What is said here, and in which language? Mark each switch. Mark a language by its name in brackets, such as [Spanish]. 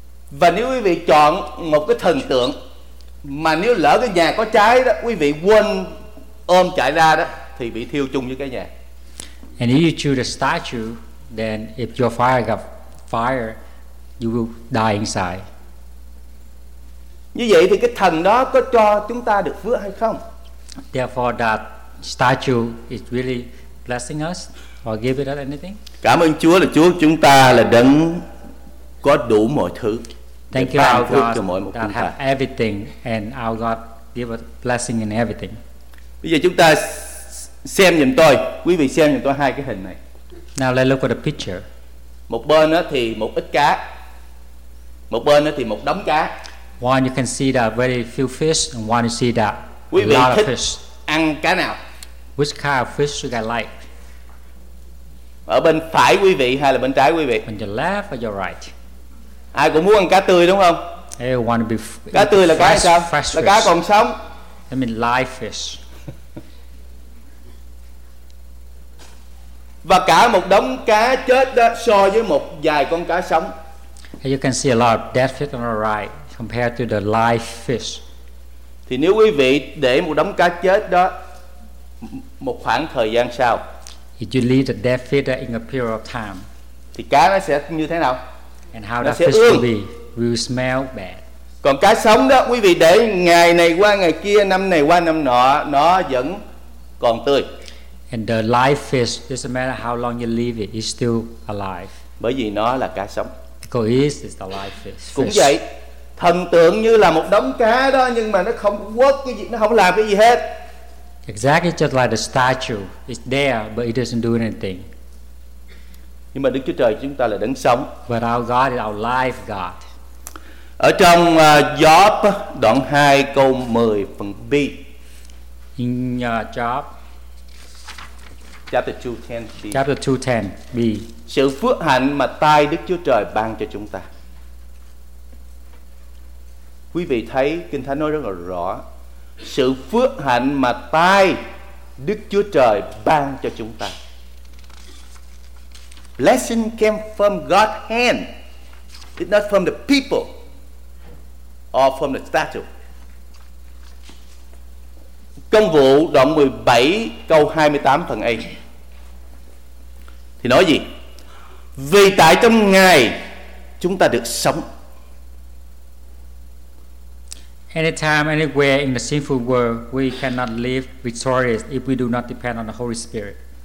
[Vietnamese] Và nếu quý vị chọn một cái thần tượng, mà nếu lỡ cái nhà có cháy đó, quý vị quên ôm chạy ra đó, thì bị thiêu chung với cái nhà. [English] And if you choose the statue, then if your fire got fire, you will die inside. [Vietnamese] Như vậy thì cái thần đó có cho chúng ta được phước hay không? [English] Therefore, that statue is really blessing us or give it us anything? [Vietnamese] Cảm ơn Chúa là Chúa chúng ta là đấng có đủ mọi thứ. [English] Thank you, our God, that have everything, and our God give us blessing in everything. [Vietnamese] Bây giờ chúng ta xem giùm tôi, quý vị xem giùm tôi hai cái hình này. [English] Now let's look at the picture. [Vietnamese] Một bên đó thì một ít cá, một bên đó thì một đống cá. [English] One you can see that very few fish, and one you see that [Vietnamese] quý [English] a lot of fish. [Vietnamese] Ăn cá nào? [English] Which kind of fish do you like? [Vietnamese] Ở bên phải quý vị hay là bên trái quý vị? [English] On your left or your right? [Vietnamese] Ai cũng muốn ăn cá tươi đúng không? [English] Want to be [Vietnamese] cá tươi là [English] fresh, [Vietnamese] cá sao? [English] Fresh [Vietnamese] là cá còn sống. [English] I mean live fish. [Vietnamese] Và cả một đống cá chết đó so với một vài con cá sống. [English] You can see a lot of dead fish on the right compared to the live fish. [Vietnamese] Thì nếu quý vị để một đống cá chết đó một khoảng thời gian sau, [English] if you leave the dead fish in a period of time, [Vietnamese] thì cá nó sẽ như thế nào? [English] And how that fish will be, will smell bad. [Vietnamese] Còn cá sống đó, quý vị để ngày này qua ngày kia, năm này qua năm nọ, nó vẫn còn tươi. [English] And the live fish, doesn't matter how long you leave it, it's still alive. [Vietnamese] Bởi vì nó là cá sống. [English] Because it's the live fish. [Vietnamese] Cũng vậy, thần tượng như là một đống cá đó, nhưng mà nó không work cái gì, nó không làm cái gì hết. [English] Exactly, just like the statue, it's there, but it doesn't do anything. [Vietnamese] Nhưng mà Đức Chúa Trời chúng ta là đấng sống. [English] But our God is our life God. [Vietnamese] Ở trong Job đoạn 2 câu 10 phần B. [English] In Job chapter 2:10b. [Vietnamese] Sự phước hạnh mà tay Đức Chúa Trời ban cho chúng ta. Quý vị thấy Kinh Thánh nói rất là rõ. Sự phước hạnh mà tay Đức Chúa Trời ban cho chúng ta. [English] Blessing came from God's hand. It's not from the people or from the statue. [Vietnamese] Công vụ đoạn 17 câu 28 phần A thì nói gì? Vì tại trong Ngài chúng ta được sống. [English] Anytime, anywhere in the sinful world, we cannot live victorious if we do not depend on the Holy Spirit.